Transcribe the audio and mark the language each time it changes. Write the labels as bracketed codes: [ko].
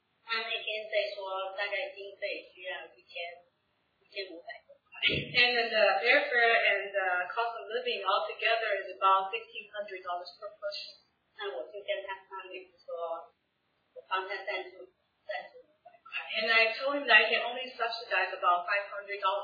[zh] 他那天在说大概经费需要1500 [en] And then the airfare and the cost of living all together is about $1,600 per person. [zh] 那我就跟他商量说，我帮他赞助。 [en] And I told him that I can only subsidize about $500.